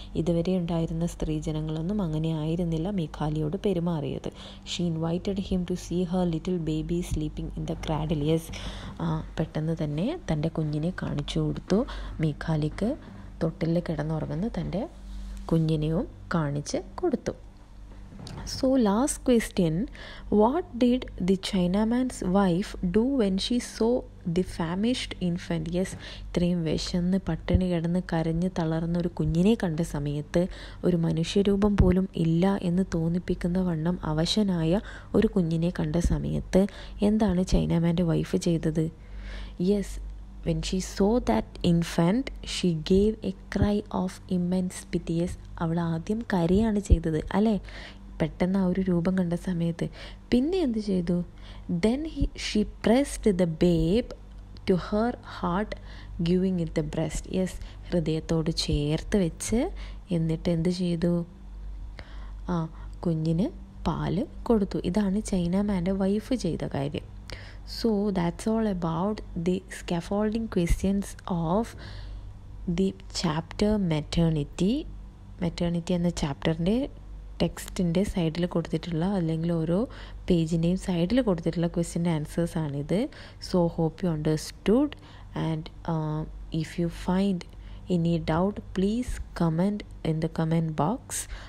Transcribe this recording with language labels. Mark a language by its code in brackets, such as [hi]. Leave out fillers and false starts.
[ml] ഇതുവരെ ഉണ്ടായിരുന്ന സ്ത്രീജനങ്ങളൊന്നും അങ്ങനെ ആയിരുന്നില്ല മീഖാലിയോട് പെരുമാറിയത്. [en] She invited him to see her little baby sleeping in the cradle. [ml] Yes, പെട്ടെന്ന് തന്നെ തൻ്റെ കുഞ്ഞിനെ കാണിച്ചു കൊടുത്തു. മീഖാലിക്ക് തൊട്ടിലിൽ കിടന്നുറങ്ങുന്ന തൻ്റെ കുഞ്ഞിനെയും കാണിച്ച് കൊടുത്തു. [en] So last question, what did the Chinaman's wife do when she saw the famished infant? [ml] Yes, ഇത്രയും വിശന്ന് പട്ടിണി കിടന്ന് കരഞ്ഞ് തളർന്ന ഒരു കുഞ്ഞിനെ കണ്ട സമയത്ത്, ഒരു മനുഷ്യരൂപം പോലും ഇല്ല എന്ന് തോന്നിപ്പിക്കുന്ന വണ്ണം അവശനായ ഒരു കുഞ്ഞിനെ കണ്ട സമയത്ത് എന്താണ് ചൈനമാൻ്റെ വൈഫ് ചെയ്തത്? [en] Yes, When she saw that infant, she gave a cry of immense pity. [ml] Yes, അവൾ ആദ്യം കരയാണ് ചെയ്തത് അല്ലേ പെട്ടെന്ന് ആ ഒരു രൂപം കണ്ട സമയത്ത്. പിന്നെ എന്ത് ചെയ്തു? [en] She pressed the babe to her heart giving it the breast. [ml] Yes, ഹൃദയത്തോട് ചേർത്ത് വെച്ച് എന്നിട്ട് എന്ത് ചെയ്തു? കുഞ്ഞിന് പാല് കൊടുത്തു. ഇതാണ് ചൈന മാൻ്റെ വൈഫ് ചെയ്ത കാര്യം. [en] So that's all about the scaffolding questions of the chapter maternity. [ml] Maternity എന്ന ചാപ്റ്ററിൻ്റെ ടെക്സ്റ്റിൻ്റെ സൈഡിൽ കൊടുത്തിട്ടുള്ള അല്ലെങ്കിൽ ഓരോ പേജിൻ്റെയും സൈഡിൽ കൊടുത്തിട്ടുള്ള ക്വസ്റ്റ്യൻ ആൻസേഴ്സ് ആണിത്. [en] So hope you understood. And if you find any doubt, please comment in the comment box.